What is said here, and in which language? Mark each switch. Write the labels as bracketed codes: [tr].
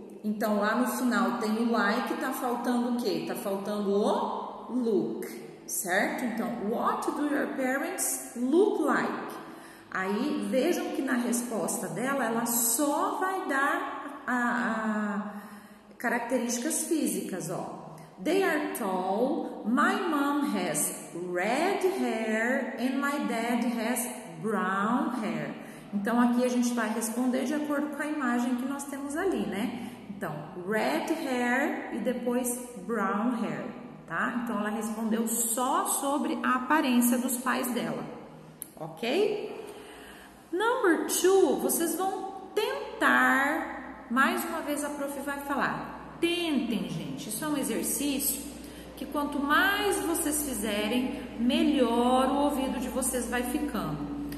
[pt] Então, lá no final tem o like, tá faltando o quê? Tá faltando o look, certo? Então, [en] what do your parents look like? [pt] Aí, vejam que na resposta dela, ela só vai dar a características físicas, ó. [en] They are tall, my mom has red hair and my dad has brown hair. [pt] Então, aqui a gente vai responder de acordo com a imagem que nós temos ali, né? Então, red hair e depois brown hair, tá? Então, ela respondeu só sobre a aparência dos pais dela, ok? [en] Number two, [pt] vocês vão tentar, mais uma vez a prof vai falar, tentem, gente, isso é um exercício que quanto mais vocês fizerem, melhor o ouvido de vocês vai ficando.